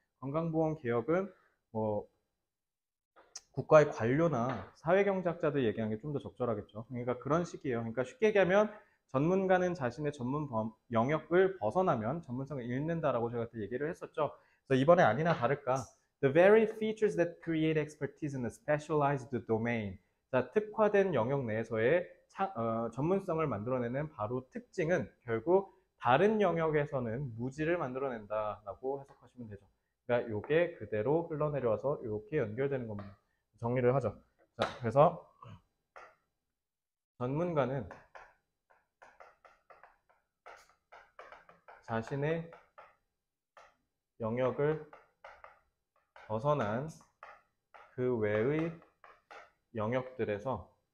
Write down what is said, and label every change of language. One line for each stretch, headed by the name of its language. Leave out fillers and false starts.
Korean: 건강보험 개혁은 뭐 국가의 관료나 사회경제학자들 얘기하는 게좀더 적절하겠죠. 그러니까 그런 식이에요. 그러니까 쉽게 얘기하면 전문가는 자신의 영역을 벗어나면 전문성을 잃는다라고 제가 그때 얘기를 했었죠. 그래서 이번에 아니나 다를까.
English: The very features that create expertise in a specialized domain.
Korean: 자, 특화된 영역 내에서의 전문성을 만들어내는 바로 특징은 결국 다른 영역에서는 무지를 만들어낸다라고 해석하시면 되죠. 그러니까 이게 그대로 흘러내려와서 이렇게 연결되는 겁니다. 정리를 하죠. 자, 그래서 전문가는 자신의 영역을 벗어난 그 외의 영역들에서